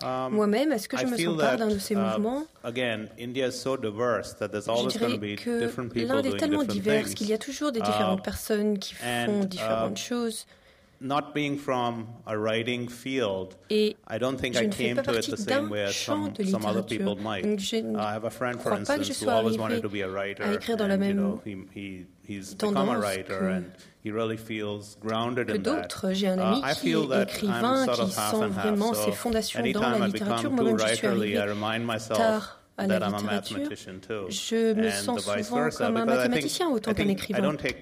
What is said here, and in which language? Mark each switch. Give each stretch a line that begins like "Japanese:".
French: Moi-même, est-ce que je me sens part d'un de ces mouvements? Je dirais que l'Inde est tellement diverse qu'il y a toujours des différentes personnes qui font différentes choses.
English: Not being from a writing field,
French: et
English: I don't think I came to it the same way as some other people might. I have a friend, for instance, who always wanted to be a writer, and he's become a writer, and he really feels grounded in that. I feel that I'm sort of half and half, so anytime I become too writerly, I remind myself
French: à la littérature, je me sens souvent comme un mathématicien autant qu'un écrivain.